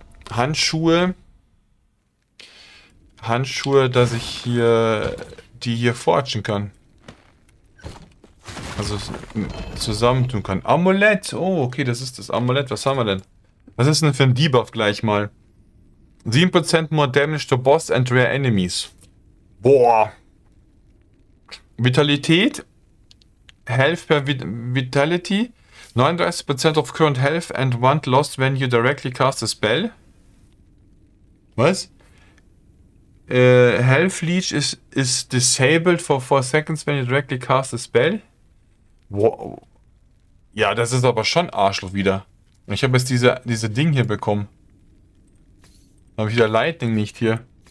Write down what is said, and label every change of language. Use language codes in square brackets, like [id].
[de] Handschuhe, dass ich hier die hier forgen kann. Also zusammentun kann. Amulett! Oh, okay, das ist das Amulett. Was haben wir denn? Was ist denn für ein Debuff gleich mal? [en] 7% more damage to boss and rare enemies. Boah! Vitalität. Health per Vitality. 39% of current health and want lost when you directly cast a spell. [de] Was? [en] Health Leech is disabled for 4 seconds when you directly cast a spell. Wow. [de] Ja, das ist aber schon Arschloch wieder. Ich habe jetzt diese Ding hier bekommen. Habe ich wieder Lightning nicht hier.